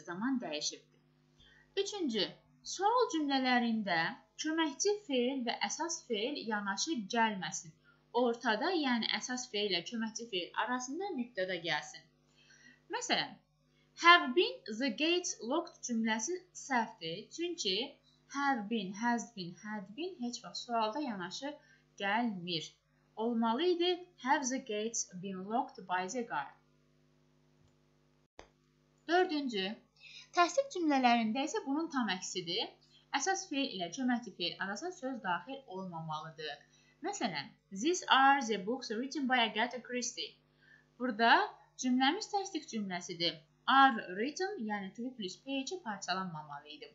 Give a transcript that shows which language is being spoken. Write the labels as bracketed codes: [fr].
[az] Zaman dəyişibdir. Üçüncü, sual cümlələrində köməkçi feil və əsas feil yanaşı gəlməsin. Ortada, yəni əsas feil ilə köməkçi feil arasında mübtədə gəlsin. [en] Məsələn, Have been the gates locked [az] cümləsi səhvdir. Çünki have been, has been, had been heç vaxt sualda yanaşı gəlmir. Olmalı idi, [en] have the gates been locked by the guard. [az] Dördüncü, təsdiq cümlələrində isə bunun tam əksidir. Əsas feil ilə köməkçi feil arasında söz daxil olmamalıdır. Məsələn, [en] these are the books written by Agatha Christie. [az] Burada cümləmiz təsdiq cümləsidir. Are written, yəni to be plus page-i parçalanmamalı idi.